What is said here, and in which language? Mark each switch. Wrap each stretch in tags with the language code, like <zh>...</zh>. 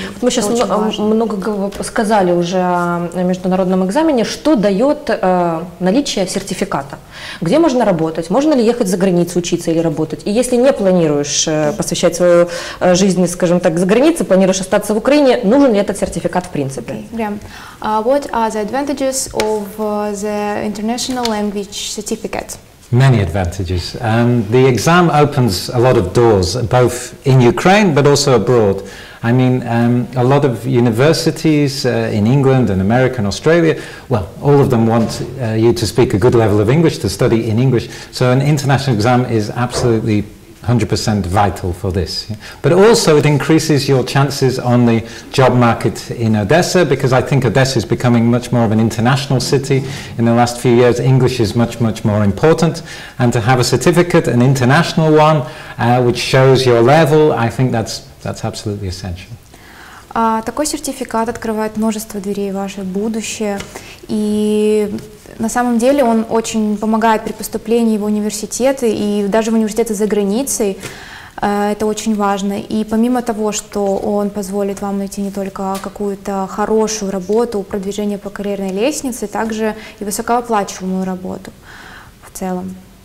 <ru>Вот мы сейчас много сказали уже о международном экзамене. Что дает наличие сертификата? Где можно работать? Можно ли ехать за границу учиться или работать? И если не планируешь посвящать свою жизнь, скажем так, за границей, планируешь остаться в Украине, нужен ли этот сертификат в принципе?</ru> <en>What are the advantages of the international language certificate? Many advantages. The exam opens a lot of doors, both in Ukraine but also abroad. I mean, a lot of universities in England and America and Australia, well, all of them want you to speak a good level of English, to study in English. So an international exam is absolutely 100% vital for this. But also it increases your chances on the job market in Odessa, because I think Odessa is becoming much more of an international city in the last few years. English is much, much more important. And to have a certificate, an international one, which shows your level, I think that's absolutely essential.</en> <ru>Такой сертификат открывает множество дверей в ваше будущее. И на самом деле он очень помогает при поступлении в университеты и даже в университеты за границей. Это очень важно. И помимо того, что он позволит вам найти не только какую-то хорошую работу, продвижение по карьерной лестнице, также и высокооплачиваемую работу в целом.</ru>